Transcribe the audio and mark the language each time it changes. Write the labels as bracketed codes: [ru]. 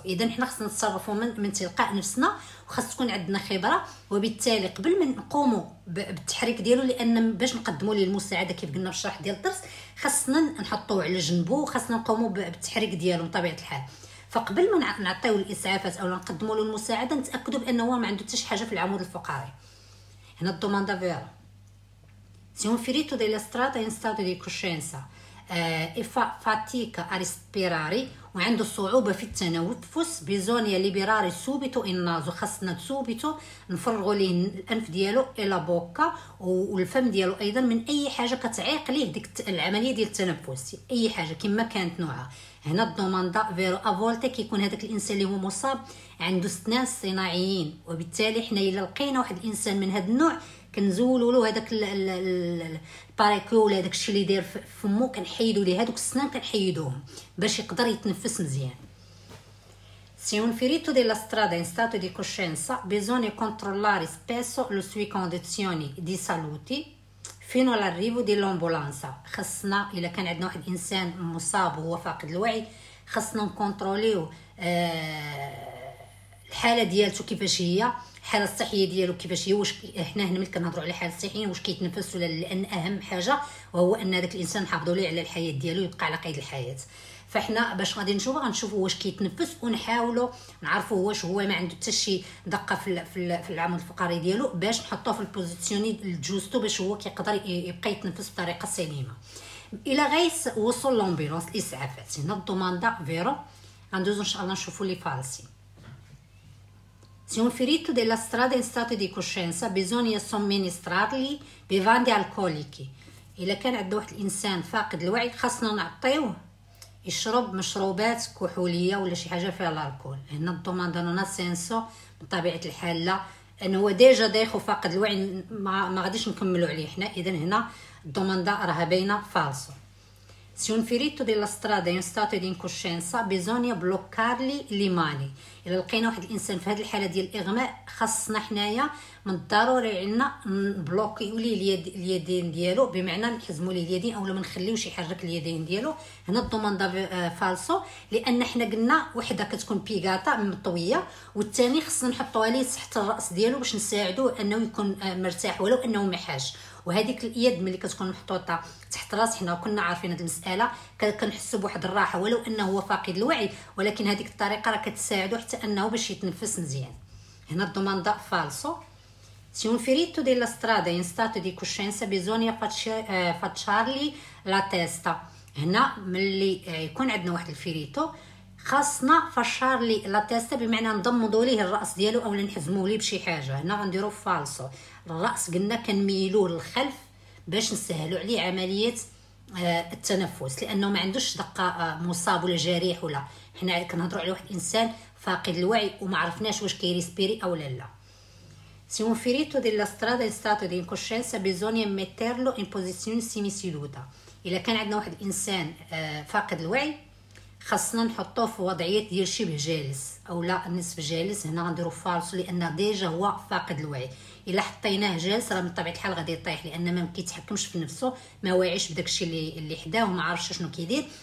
[ar] اذا حنا خصنا نتصرفوا من تلقاء نفسنا وخاص تكون عندنا خبره، وبالتالي قبل ما نقوموا بالتحريك ديالو لان باش نقدموا ليه المساعده كيف قلنا في الشرح ديال الدرس خصنا نحطوه على جنبه وخاصنا نقوموا بالتحريك ديالو بطبيعه الحال. فقبل ما نعطيو الاسعافات او نقدموا له المساعده نتاكدوا بانه هو ما عنده حتى شي حاجه في العمود الفقري. هنا الدوماندا فيرا [it] Siamo feriti della strada in stato di coscienza e fa fatica a respirare, e quando [ar] soube fit tenefus, [it] bisogna liberare subito il naso, [ar] khasna subito nfrgu ليه الانف ديالو [it] e la bocca o il [ar] fem ديالو ايضا من اي حاجه كتعيق ليه ديك العمليه ديال التنفس، اي حاجه كما كانت نوعها. هنا الدوماندا فيرو افولتي كيكون هذاك الانسان اللي هو مصاب عنده سنان صناعيين، وبالتالي حنا الا لقينا واحد الانسان من هذا النوع كنزولوا له هذاك الباريكول ولا داك الشيء اللي داير في فمه، كنحيدوا ليه هذوك السنان، كنحيدوهم باش يقدر يتنفس مزيان. [it] Se un ferito della strada è in stato di coscienza, bisogna controllare spesso le sue condizioni di salute fino all'arrivo dell'ambulanza. [ar] خصنا إلا كان عندنا واحد إنسان مصاب وهو فاقد الوعي، خصنا نكونتروليو الحالة ديالته كيفاش هي، الحالة الصحية ديالو كيفاش هي، واش حنا هنا ملي كنهضرو على الحالة الصحية واش كيتنفس ولا، لأن أهم حاجة وهو أن هذاك الإنسان نحافظو ليه على الحياة ديالو، يبقى على قيد الحياة. فاحنا باش غادي نشوفو غنشوفو واش كيتنفس، ونحاولو نعرفو واش هو ما عنده حتى شي دقة في العمود الفقري ديالو، باش نحطوه في البوزيسيوني الجوستو باش هو كيقدر يبقى يتنفس بطريقة سليمة. إلى غايس وصل لومبيلونس الإسعافات، هنا الدوماندا فيرو، غندوزو إن شاء الله نشوفو لي فالسي. [it] Se un ferito della strada è in stato di coscienza, bisogna somministrargli bevande alcoliche. [ar] إلا كان عند واحد الإنسان فاقد الوعي، خاصنا نعطيوه يشرب مشروبات كحولية ولا شي حاجة فيها الكحول. هنا الدوماندا نون سينسو بطبيعة الحال، لا، أنه هو ديجا دايخ وفاقد الوعي، ما غاديش نكملوا عليه حنا. إذا هنا الدوماندا راها باينة فالسو. [it] Se un ferito della strada è in stato di incoscienza, bisogna bloccargli le mani. [ar] إذا لقينا واحد الإنسان في هذه الحالة ديال الإغماء، خاصنا حنايا من الضروري عنا نبلوكيو ليه اليدين ديالو، بمعنى نحزمو ليه اليدين أو ما نخليوش يحرك اليدين ديالو. هنا الدوماندا فالسو، لأن حنا قلنا وحدة كتكون بيغاتا مطوية، والتاني خصنا نحطوها ليه تحت الرأس ديالو باش نساعدوه أنه يكون مرتاح ولو أنه محاش. وهذيك اليد ملي كتكون محطوطه تحت راس، حنا كنا عارفين هذه المساله، كنحسوا بواحد الراحه ولو انه هو فاقد الوعي، ولكن هذيك الطريقه راه كتساعده حتى انه باش يتنفس مزيان. هنا الدوماندا فالسو. [it] Se un ferito della strada è in stato di coscienza, bisogna facciargli la testa. [ar] هنا ملي يكون عندنا واحد الفيريتو، خاصنا فشارلي لا تيست، بمعنى نضمدو ليه الراس ديالو اولا نحزمو ليه بشي حاجه. هنا غنديرو فالسو، الراس قلنا كنميلوه للخلف باش نسهلو عليه عمليه التنفس، لانه ما عندوش دقه مصاب ولا جريح ولا، حنا كنهضرو على واحد الانسان فاقد الوعي وما عرفناش واش كيريسبيري او لا. [it] Se un ferito della strada è in stato di incoscienza, bisogna metterlo in posizione semiseduta. [ar] الا كان عندنا واحد الانسان فاقد الوعي، خاصنا نحطوه في وضعية ديال شبه جالس أو لا نصف جالس. هنا غنديرو فالسو، لأن ديجا هو فاقد الوعي، إلا حطيناه جالس راه من طبيعة الحال غادي يطيح، لأن ما كيتحكمش في نفسه، ما واعيش بداك الشيء اللي حداه وما عارفش شنو كيدير.